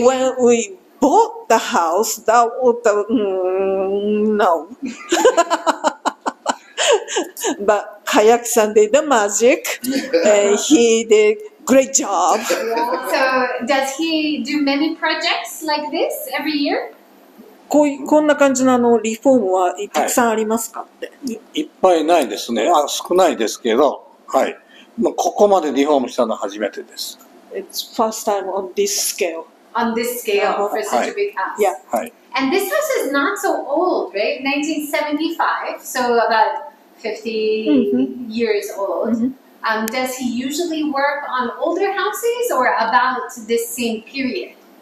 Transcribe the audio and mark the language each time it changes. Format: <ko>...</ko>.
<en>When we bought the house, no. But Hayaki-san did the magic, and he did great job. Yeah. So does he do many projects like this every year?</en> <ja>こんな感じのリフォームはたくさんありますかって、はい、いっぱいないですね。少ないですけど、はい。まあ、ここまでリフォームしたのは初めてです。</ja> <en>It's first time on this scale. On this scale for such a big house. Yeah.</en> <ja>はい。</ja> <en>And this house is not so old, right? 1975, so about 50 years old. Mm-hmm. Does he usually work on older houses or about this same period?</en>